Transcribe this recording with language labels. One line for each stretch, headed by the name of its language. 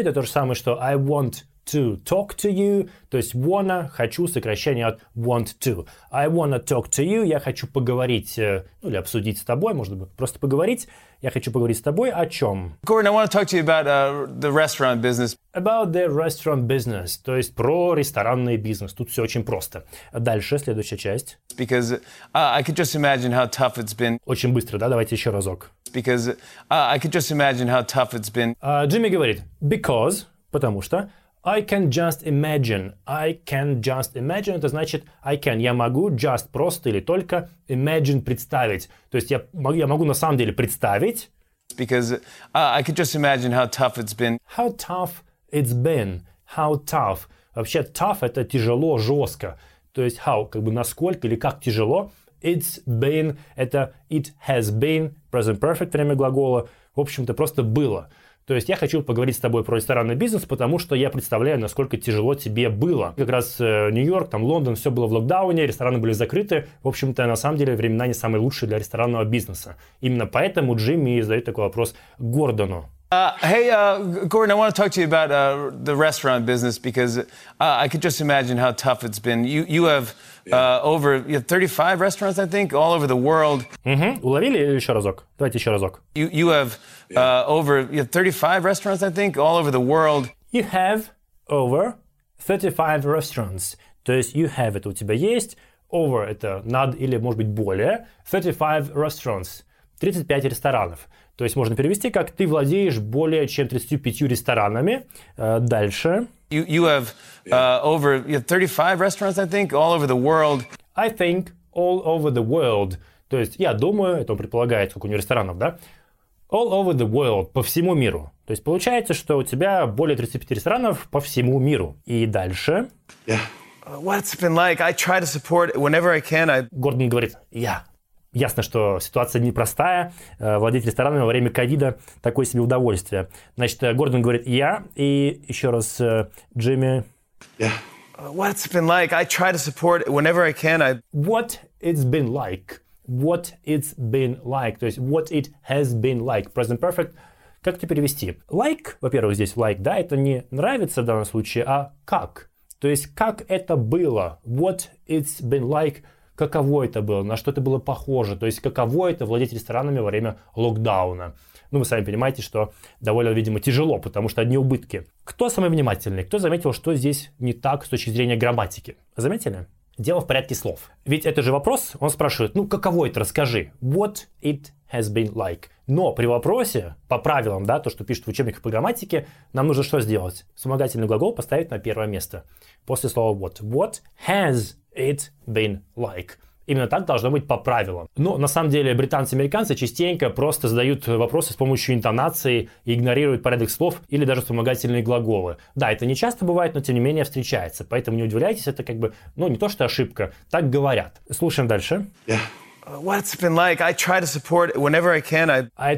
Russian: Это то же самое, что
English: I want to talk to you.
Russian: То есть wanna, хочу, сокращение от
English: want to. I wanna talk to you.
Russian: Я хочу поговорить, ну или обсудить с тобой, может быть, просто поговорить. Я хочу поговорить с тобой о чем?
English: Gordon, I want to talk to you about the restaurant business. About the restaurant business.
Russian: То есть про ресторанный бизнес. Тут все очень просто. Дальше, следующая часть.
English: Because I could just imagine how tough it's been.
Russian: Очень быстро, да? Давайте еще разок.
English: Because I could just imagine how tough it's been.
Russian: Джимми говорит, because, потому что,
English: I can just imagine,
Russian: это значит I can, я могу just, просто или только imagine, представить. То есть я могу на самом деле представить.
English: Because I could just imagine how tough it's been. How tough it's been. How tough.
Russian: Вообще tough — это тяжело, жестко. То есть how, как бы насколько или как тяжело.
English: It's been — это it has been, present perfect,
Russian: время глагола. В общем-то, просто было. То есть я хочу поговорить с тобой про ресторанный бизнес, потому что я представляю, насколько тяжело тебе было. Как раз Нью-Йорк, там Лондон, все было в локдауне, рестораны были закрыты. В общем-то, на самом деле, времена не самые лучшие для ресторанного бизнеса. Именно поэтому Джимми задает такой вопрос Гордону.
English: Gordon, I want to talk to you about the restaurant business because I could just imagine how tough it's been. You have over 35 restaurants, I think, all over the world.
Russian: Угу. Уловили еще разок? Давайте еще разок.
English: You have over 35 restaurants, I think, all over the world. You have over 35 restaurants.
Russian: То есть
English: you have
Russian: — это у тебя есть, over — это над или, может быть, более,
English: 35 restaurants
Russian: — 35 ресторанов. То есть можно перевести как «ты владеешь более чем 35 ресторанами». Дальше.
English: You have over 35 restaurants, I think, all over the world. I think all over the world.
Russian: То есть я думаю, это он предполагает, сколько у него ресторанов, да? All over the world, по всему миру. То есть получается, что у тебя более 35 ресторанов по всему миру. И дальше.
English: Yeah. What's it been like? I try to support whenever I can.
Russian: Гордон говорит «yeah». Ясно, что ситуация непростая. Владеть ресторанами во время ковида — такое себе удовольствие. Значит, Гордон говорит «я», и еще раз Джимми.
English: Yeah. What's it been like? I try to support whenever I can. What it's been like? What it's been like? То есть what it has been like?
Russian: Present perfect. Как это перевести? Like, во-первых, здесь like, да, это не нравится в данном случае, а как. То есть как это было?
English: What it's been like?
Russian: Каково это было, на что это было похоже, то есть каково это владеть ресторанами во время локдауна. Ну, вы сами понимаете, что довольно, видимо, тяжело, потому что одни убытки. Кто самый внимательный? Кто заметил, что здесь не так с точки зрения грамматики? Заметили? Дело в порядке слов. Ведь это же вопрос, он спрашивает, ну, каково это, расскажи.
English: What it has been like.
Russian: Но при вопросе, по правилам, да, то, что пишут в учебниках по грамматике, нам нужно что сделать? Вспомогательный глагол поставить на первое место. После слова what.
English: What has it been like.
Russian: Именно так должно быть по правилам. Но на самом деле британцы и американцы частенько просто задают вопросы с помощью интонации и игнорируют порядок слов или даже вспомогательные глаголы. Да, это не часто бывает, но тем не менее встречается. Поэтому не удивляйтесь, это как бы, ну, не то что ошибка, так говорят. Слушаем дальше.
English: Yeah. What's it been like? I try to support whenever I can.